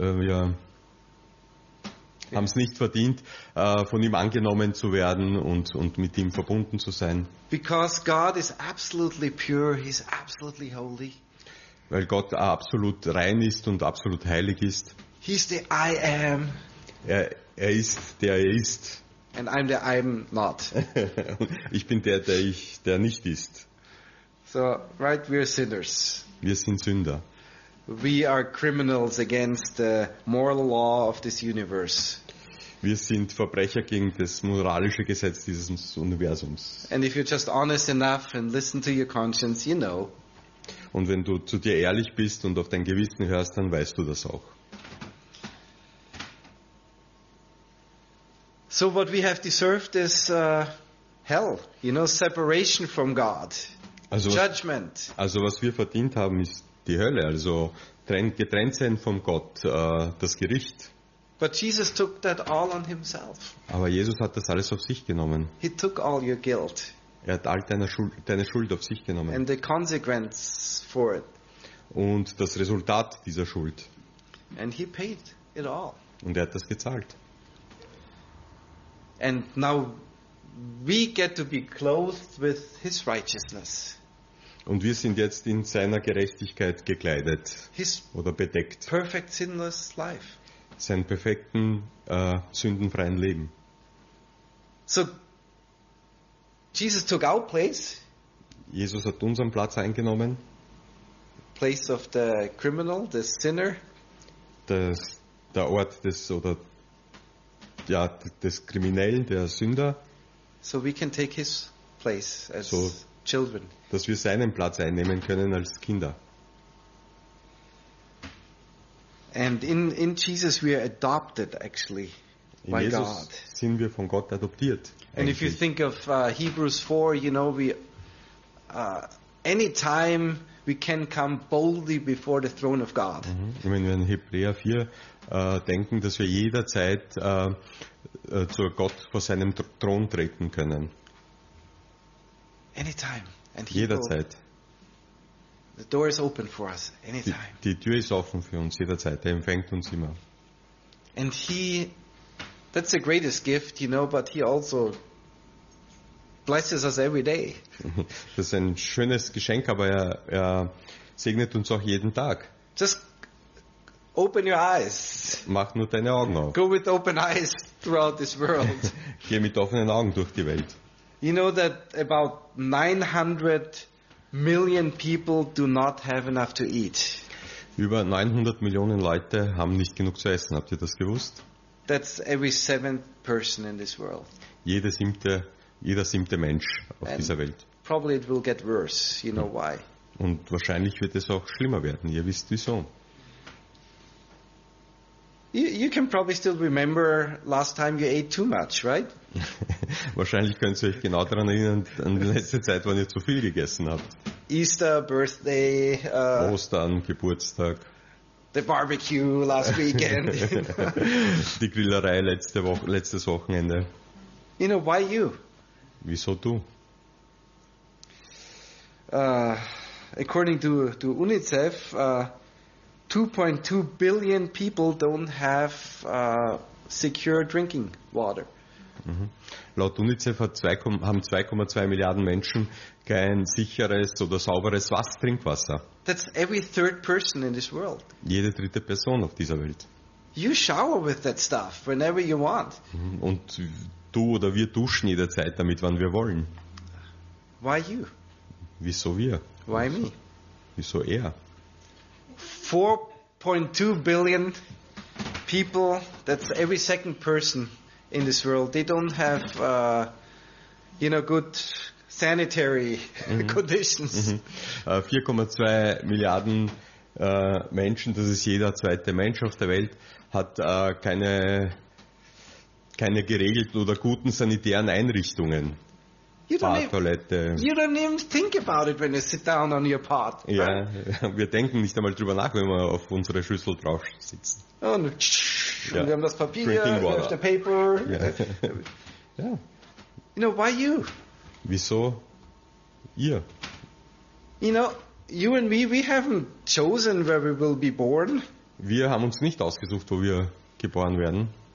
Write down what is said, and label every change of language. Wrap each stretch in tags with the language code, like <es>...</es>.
<de>Wir haben es nicht verdient, von ihm angenommen zu werden und mit ihm verbunden zu sein.</de> <en>Because God is absolutely pure, he's absolutely holy.</en> <de>Weil Gott absolut rein ist und absolut heilig ist.</de> <en>He's the I am.</en> <de>Er ist, der er ist.</de> <en>And I'm the I'm not.</en> <de>Ich bin der nicht ist.</de> <en>So, right, we are sinners.</en> <de>Wir sind Sünder.</de> <en>We are criminals against the moral law of this universe.</en> <de>Wir sind Verbrecher gegen das moralische Gesetz dieses Universums.</de> <en>And if you're just honest enough and listen to your conscience, you know.</en> <de>Und wenn du zu dir ehrlich bist und auf dein Gewissen hörst, dann weißt du das auch.</de> <en>So what we have deserved is hell, you know, separation from God, also judgment.</en> <de>Also was wir verdient haben, ist die Hölle, also getrennt sein von Gott, das Gericht.</de> <en>But Jesus took that all on himself.</en> <de>Aber Jesus hat das alles auf sich genommen.</de> <en>He took all your guilt.</en> <de>Er hat all deine Schuld auf sich genommen.</de> <en>And the consequence for it.</en> <de>Und das Resultat dieser Schuld.</de> <en>And he paid it all.</en> <de>Und er hat das gezahlt.</de> <en>And now we get to be clothed with his righteousness.</en> <de>Und wir sind jetzt in seiner Gerechtigkeit gekleidet.</de> <en>His</en> <de>oder bedeckt.</de> <en>Perfect sinless life.</en> <de>Seinen perfekten, sündenfreien Leben.</de> <en>So, Jesus took our place.</en> <de>Jesus hat unseren Platz eingenommen.</de> <en>Place of the criminal, the sinner.</en> <de>Der Ort des, oder, ja, des Kriminellen, der Sünder.</de> <en>So we can take his place as so, children.</en> <de>Dass wir seinen Platz einnehmen können als Kinder.</de> <en>And in Jesus we are adopted actually by Jesus God.</en> <de>Sind wir von Gott adoptiert. Eigentlich.</de> <en>And if you think of Hebrews 4, you know, we any time we can come boldly before the throne of God. Mm-hmm.</en> <de>Wenn wir in Hebräer 4 denken, dass wir jederzeit zu Gott vor seinem Thron treten können.</de> <en>Anytime.</en> <de>And jederzeit.</de> <en>The door is open for us anytime.</en> <de>Die Tür ist offen für uns jederzeit. Er empfängt uns immer.</de> <en>And he, that's the greatest gift, you know, but he also blesses us every day.</en> <de>Das ist ein schönes Geschenk, aber er segnet uns auch jeden Tag.</de> <en>Just open your eyes.</en> <de>Mach nur deine Augen auf.</de> <en>Go with open eyes throughout this world.</en> <de>Geh mit offenen Augen durch die Welt.</de> <en>You know that about 900 million people do not have enough to eat.</en> <de>Über 900 Millionen Leute haben nicht genug zu essen. Habt ihr das gewusst?</de> <en>That's every seventh person in this world.</en> <de>Jeder siebte Mensch auf</de> <en>And</en> <de>dieser Welt.</de> <en>Probably it will get worse. You know why?</en> <de>Und wahrscheinlich wird es auch schlimmer werden. Ihr wisst wieso.</de> <en>You can probably still remember last time you ate too much, right?</en> <de>Wahrscheinlich könnt ihr euch genau daran erinnern, an die letzte Zeit, wann ihr zu viel gegessen habt.</de> <en>Easter, birthday,</en> <de>Ostern, Geburtstag.</de> <en>The barbecue last weekend.</en> <de>Die Grillerei letztes Wochenende.</de> <en>You know, why you?</en> <de>Wieso du?</de> <en>According to UNICEF, 2.2 billion people don't have secure drinking water. Mhm.</en> <de>Laut UNICEF haben 2,2 Milliarden Menschen kein sicheres oder sauberes Trinkwasser.</de> <en>That's every third person in this world.</en> <de>Jede dritte Person auf dieser Welt.</de> <en>You shower with that stuff whenever you want.</en> <de>Und du oder wir duschen jederzeit damit, wann wir wollen.</de> <en>Why you?</en> <de>Wieso wir?</de> <en>Why me?</en> <de>Wieso er?</de> <en>4.2 billion people, that's every second person in this world, they don't have you know, good sanitary conditions.</en> <de>4,2 Milliarden Menschen, das ist jeder zweite Mensch auf der Welt, hat keine geregelten oder guten sanitären Einrichtungen.</de> <en>You don't even think about it when you sit down on your pot. Right?</en> <de>Ja, wir denken nicht einmal drüber nach, wenn wir auf unsere Schüssel drauf sitzen. Und ja. Wir haben das Papier,</de> <en>the paper.</en> <de>Ja. Ja.</de> <en>You know, why you?</en> <de>Wieso ihr?</de> <en>You know, you and me, we haven't chosen where we will be born.</en> <de>Wir haben uns nicht ausgesucht, wo wir geboren werden.</de>